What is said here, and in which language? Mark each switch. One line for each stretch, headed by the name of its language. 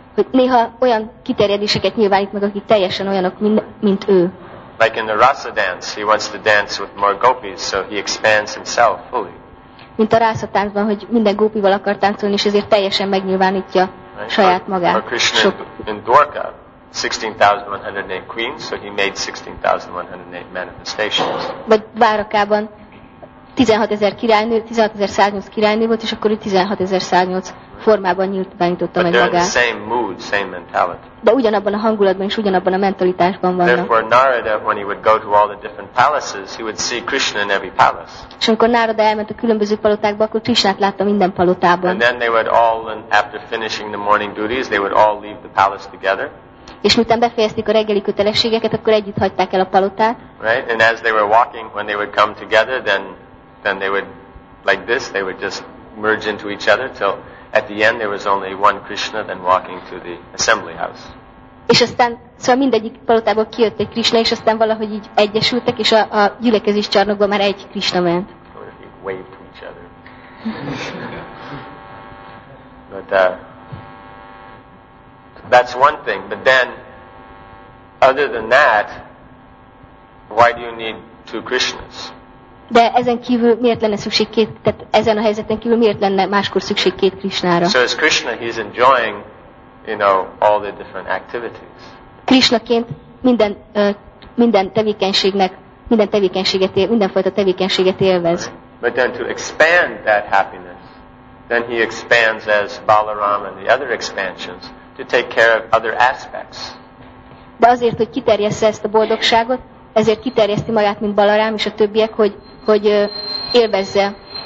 Hungarian: Néha olyan kiterjedéseket nyilvánít meg, akik teljesen olyanok, mint ő.
English: Like in the rasa dance, he wants to dance with more gopis, so he expands himself fully.
Hungarian: Mint a rasa táncban, hogy minden gópival akar táncolni, és ezért teljesen megnyilvánítja saját magát.
English: Or Krishna in Dwarka, 16,108 queens, so he made 16,108 manifestations.
Hungarian: Vagy Várakában 16.000 királynő, 16.108 királynő volt, és akkor ő 16.108 formában nyílt, benyitotta meg magát.
English: The same mood, same mentality.
Hungarian: De ugyanabban a hangulatban és ugyanabban a mentalitásban vannak.
English: Therefore, Narada, when he would go to all the different palaces, he would see Krishna in every palace.
Hungarian: És amikor Narada elment a különböző palotákba, akkor Krishnát látta minden palotában.
English: And then they would all, after finishing the morning duties, they would all leave the palace together.
Hungarian: És miután befejezték a reggeli kötelességeket, akkor együtt hagyták el a palotát.
English: Right, and as they were walking, when they would come together, then they would, like this, they would just merge into each other till at the end there was only one Krishna then walking to the assembly house.
Hungarian: És aztán, szóval mindegyik palotából kijött egy Krishna, és aztán valahogy így egyesültek, és a gyülekezés csarnokban már egy Krishna ment.
English: Or if he waved to each other. But, that's one thing, but then, other than that, why do you need two Krishnas?
Hungarian: De ezen kívül miért lenne szükség két, tehát ezen a helyzeten kívül miért lenne máskor szükség két Krishnára?
English: So as Krishna, he's enjoying, you know, all the different activities.
Hungarian: Krishnaként minden minden tevékenységet élvez.
English: But then to expand that happiness, then he expands as Balaram and the other expansions. To take care of other aspects.
Hungarian: De azért, hogy kiterjessze ezt a boldogságot, ezért kiterjeszti magát, mint Balarám és a többiek, hogy élvezze.